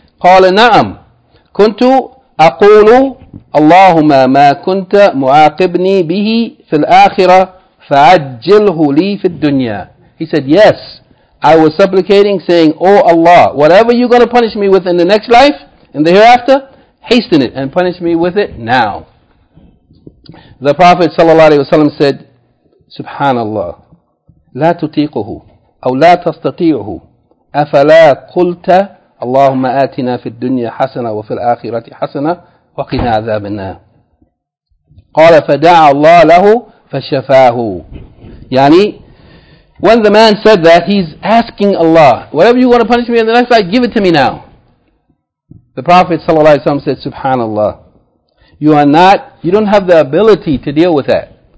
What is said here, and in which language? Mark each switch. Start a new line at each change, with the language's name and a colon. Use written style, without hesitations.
Arabic: قَالَ نَعَمْ كُنْتُ أَقُولُ اللَّهُمَّ مَا كُنْتَ مُعَاقِبْنِي بِهِ فِي الْآخِرَةِ فَعَجِّلْهُ لِي فِي الدُّنْيَا.
English: He said, yes, I was supplicating, saying, O Allah, whatever you're going to punish me with in the next life, in the hereafter, hasten it and punish me with it now. The Prophet ﷺ said, Subhanallah,
Arabic: لا تطيقه أو لا تستطيعه أفلا قلت اللهم آتنا في الدنيا حسنة وفي الآخرة حسنة وقنا عذاب النار. قال فدعا الله له فشفاه.
English: يعني when the man said that, he's asking Allah, whatever you want to punish me in the next life, give it to me now. The Prophet ﷺ said, Subhanallah, you don't have the ability to deal with that.